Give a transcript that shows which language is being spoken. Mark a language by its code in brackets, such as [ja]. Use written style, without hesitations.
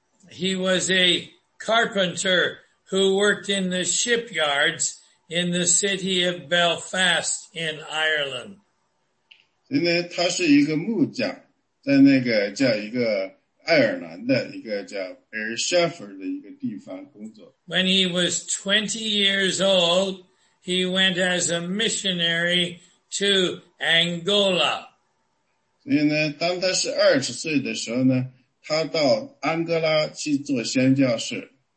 [en] He was a carpenter who worked in the shipyards in the city of Belfast in Ireland. [zh] 所以呢他是一个木匠在那个叫一个爱尔兰的一个叫 Air Shepherd 的一个地方工作。 [en] When he was 20 years old, he went as a missionary to Angola. [zh] 所以呢当他是20岁的时候呢他到安哥拉去做宣教士。